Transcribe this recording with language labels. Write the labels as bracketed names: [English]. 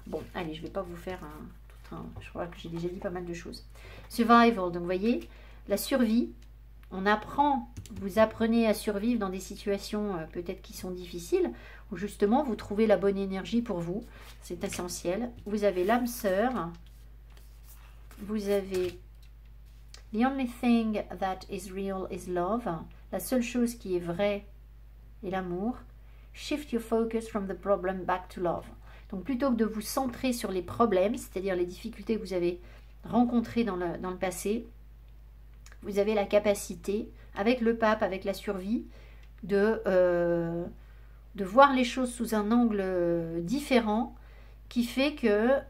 [French] Bon, allez, je vais pas vous faire je crois que j'ai déjà dit pas mal de choses. Survival, donc vous voyez, la survie, vous apprenez à survivre dans des situations peut-être qui sont difficiles, où justement vous trouvez la bonne énergie pour vous, c'est essentiel. Vous avez l'âme sœur, vous avez. [English] The only thing that is real is love. [French] La seule chose qui est vraie est l'amour. [English] Shift your focus from the problem back to love. [French] Donc plutôt que de vous centrer sur les problèmes, c'est-à-dire les difficultés que vous avez rencontrées dans le passé, vous avez la capacité, avec le pape, avec la survie, de voir les choses sous un angle différent qui fait que.